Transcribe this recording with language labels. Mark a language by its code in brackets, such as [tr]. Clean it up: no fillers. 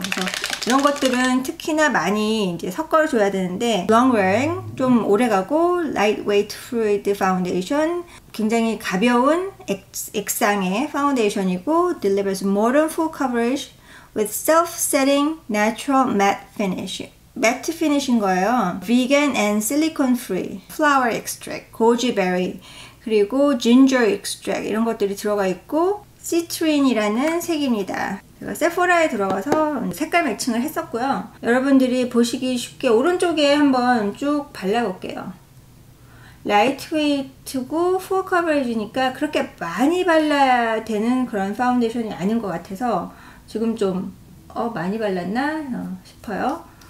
[ko] 그래서 이런 것들은 특히나 많이 이제 섞어줘야 되는데 [en] long wearing [ko] 좀 오래가고 [en] lightweight fluid foundation [ko] 굉장히 가벼운 액상의 파운데이션이고 [en] delivers modern full coverage with self-setting natural matte finish. [ko] Matte finish인 거예요. [en] Vegan and silicone free flower extract, goji berry [ko] 그리고 [en] ginger extract [ko] 이런 것들이 들어가 있고 citrine이라는 색입니다. 제가 세포라에 들어가서 색깔 매칭을 했었고요. 여러분들이 보시기 쉽게 오른쪽에 한번 쭉 발라볼게요. Lightweight고 full coverage니까 그렇게 많이 발라야 되는 그런 파운데이션이 아닌 것 같아서 지금 좀 많이 발랐나 싶어요.